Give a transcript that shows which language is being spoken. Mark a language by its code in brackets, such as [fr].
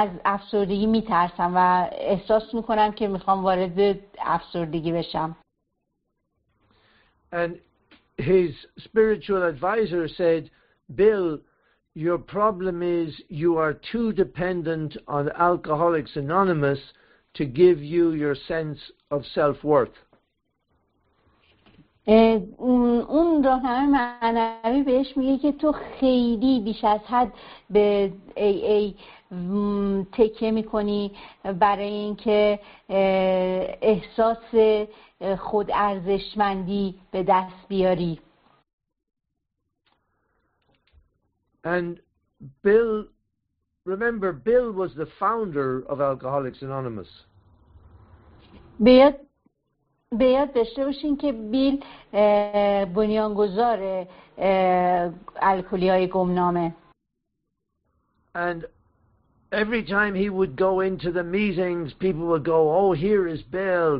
[fa] از افسردگی میترسم و احساس میکنم که میخوام وارد افسردگی بشم. [en] And his spiritual advisor said, Bill, your problem is you are too dependent on Alcoholics Anonymous to give you your sense of self-worth. [fa] اون راهنمای معنوی بهش میگه که تو خیلی بیش از حد به AA تکیه میکنی برای اینکه احساس خود ارزشمندی به دست بیاری. [en] And Bill, remember, Bill was the founder of Alcoholics Anonymous. [fa] بیاد داشته باشین که بیل بنیانگذار الکلی‌های گمنامه. [en] And every time he would go into the meetings, people would go, oh, here is Bill.